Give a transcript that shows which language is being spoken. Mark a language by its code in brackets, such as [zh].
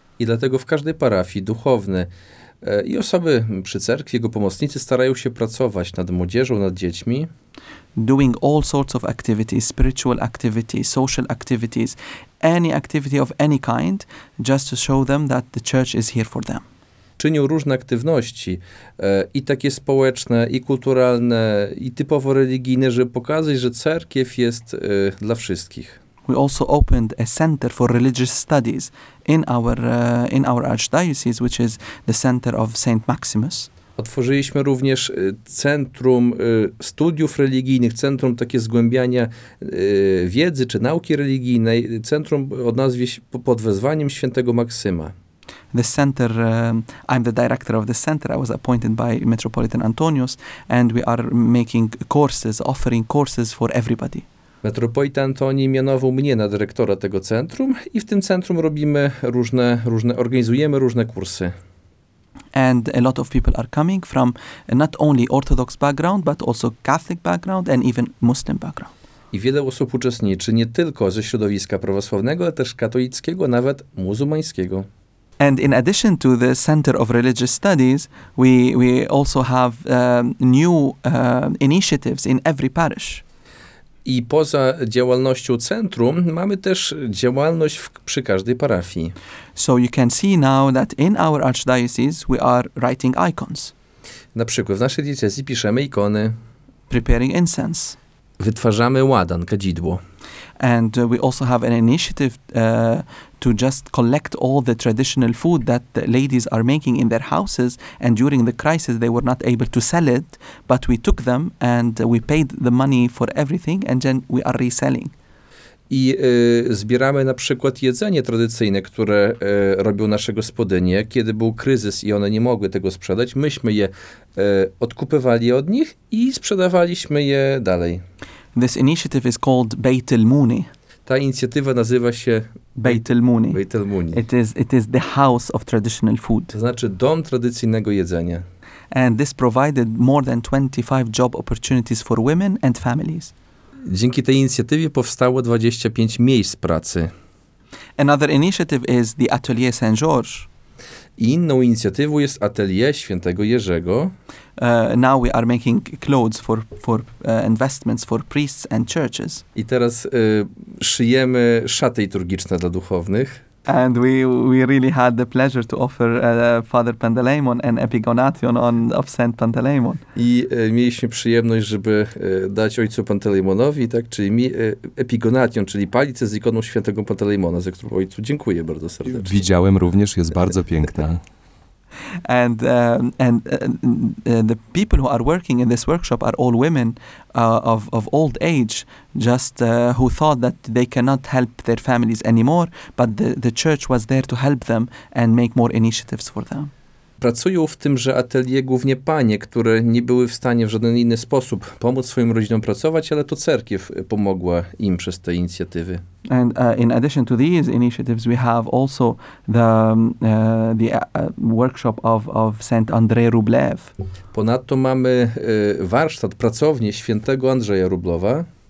[pl] I dlatego w każdej parafii duchowny i osoby przy cerkwi, jego pomocnicy starają się pracować nad młodzieżą, nad dziećmi. [en] Doing all sorts of activities, spiritual activities, social activities, any activity of any kind, just to show them that the church is here for them. [pl] czynią różne aktywności i takie społeczne, i kulturalne, i typowo religijne, żeby pokazać, że cerkiew jest dla wszystkich. [en] We also opened a center for religious studies in our archdiocese, which is the center of Saint Maximus. [pl] Otworzyliśmy również centrum studiów religijnych, centrum takie zgłębiania wiedzy czy nauki religijnej, centrum o nazwie pod wezwaniem Świętego Maksyma. [en] The center, I'm the director of the center. I was appointed by Metropolitan Antonius, and we are making courses, offering courses for everybody. [pl] Metropolita Antoni mianował mnie na dyrektora tego centrum i w tym centrum robimy różne organizujemy różne kursy. [en] And a lot of people are coming from not only Orthodox background, but also Catholic background and even Muslim background. [pl] I wiele osób uczestniczy nie tylko ze środowiska prawosławnego, ale też katolickiego, nawet muzułmańskiego. [en] And in addition to the Center of Religious Studies, we also have new initiatives in every parish. [pl] I poza działalnością centrum mamy też działalność przy każdej parafii. [en] So you can see now that in our archdiocese we are writing icons. [pl] Na przykład w naszej diecezji piszemy ikony. [en] Preparing incense. [pl] Wytwarzamy ładan, kadzidło. [en] And we also have an initiative to just collect all the traditional food that the ladies are making in their houses, and during the crisis they were not able to sell it, but we took them and we paid the money for everything, and then we are reselling. [pl] I zbieramy na przykład jedzenie tradycyjne, które robią nasze gospodynie, kiedy był kryzys i one nie mogły tego sprzedać. Myśmy je odkupywali od nich i sprzedawaliśmy je dalej. [en] This initiative is called Beit el-Muni. [pl] Ta inicjatywa nazywa się Beit el-Muni. Beit el-Muni. [en] It is the house of traditional food. [pl] To znaczy dom tradycyjnego jedzenia. [en] And this provided more than 25 job opportunities for women and families. [pl] Dzięki tej inicjatywie powstało 25 miejsc pracy. [en] Another initiative is the Atelier Saint-Georges. [pl] Inną inicjatywą jest Atelier Świętego Jerzego. [en] Now we are making clothes for investments for priests and churches. [pl] I teraz szyjemy szaty liturgiczne dla duchownych. [en] And we really had the pleasure to offer Father Pantaleimon an epigonation of Saint Pantaleimon. [pl] I mieliśmy przyjemność, żeby dać ojcu Pantaleimonowi, tak, czyli mi epigonation, czyli palicę z ikoną świętego Pantaleimona, za którą ojcu dziękuję bardzo serdecznie. Widziałem również, jest bardzo piękna. [en] And the people who are working in this workshop are all women of old age, just who thought that they cannot help their families anymore, but the church was there to help them and make more initiatives for them. [pl] Pracują w tymże atelier głównie panie, które nie były w stanie w żaden inny sposób pomóc swoim rodzinom pracować, ale to cerkiew pomogła im przez te inicjatywy. [en] And in addition to these initiatives, we have also the workshop of Saint André Rublev. [pl] Ponadto mamy warsztat, pracownię świętego Andrzeja Rublowa.